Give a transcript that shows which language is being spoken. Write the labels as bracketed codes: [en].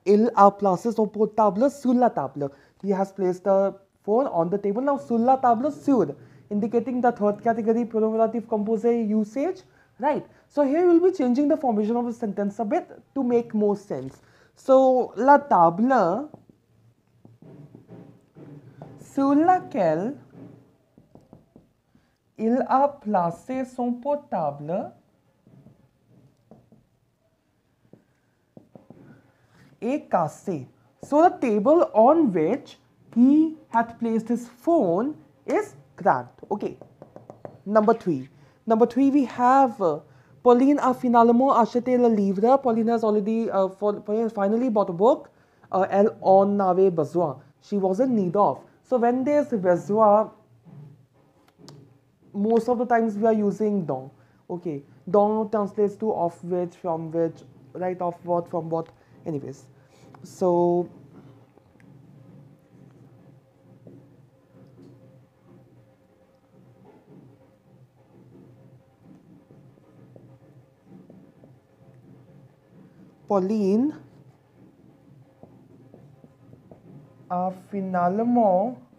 [fr] Il a placé son portable sur la table. [en] He has placed the phone on the table. Now, sur la table, sur, indicating the third category, pronominative composé usage. Right. So here we'll be changing the formation of the sentence a bit to make more sense. [fr] So, la table sur laquelle il a placé son portable. Et cassé. [en] So the table on which he had placed his phone is cracked. Okay. Number three, we have [fr] Pauline a finalement acheté le livre. [en] Pauline has already finally bought a book. [fr] Elle en avait besoin. [en] She was in need of. So when there's besoin, most of the times we are using dans. Okay. Dans translates to of which, from which, right, of what, from what. Anyways. [fr] So, Pauline a finalement